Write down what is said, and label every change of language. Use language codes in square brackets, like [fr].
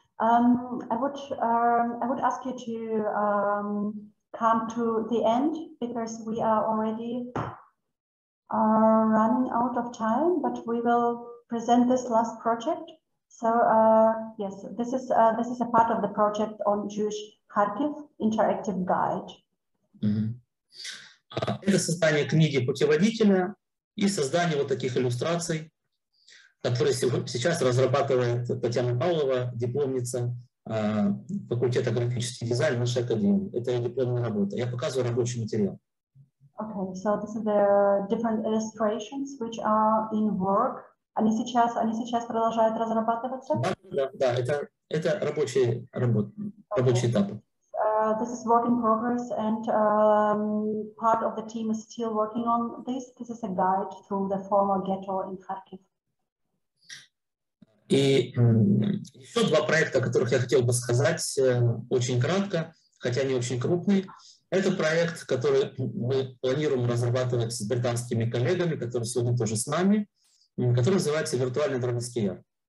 [en] I would ask you to come to the end because we are already running out of time, but we will present this last project. So yes, this is a part of the project on Jewish Kharkiv interactive guide. [ru] Это создание книги путеводителя. И создание вот таких иллюстраций, которые сейчас разрабатывает Татьяна Павлова, дипломница факультета графический дизайн нашей академии. Это ее дипломная работа. Я показываю рабочий материал. [en] Okay, so these are the different illustrations which are in work. [ru] Они сейчас продолжают разрабатываться? Да, это рабочий этап. [en] This is work in progress, and part of the team is still working on this. This is a guide through the former ghetto in Kharkiv. [ru] И еще два проекта, о которых я хотел бы сказать очень кратко, хотя они очень крупные. Это проект, который мы планируем разрабатывать с британскими коллегами, которые сегодня тоже с нами, который называется «Виртуальный Дрогинский яр».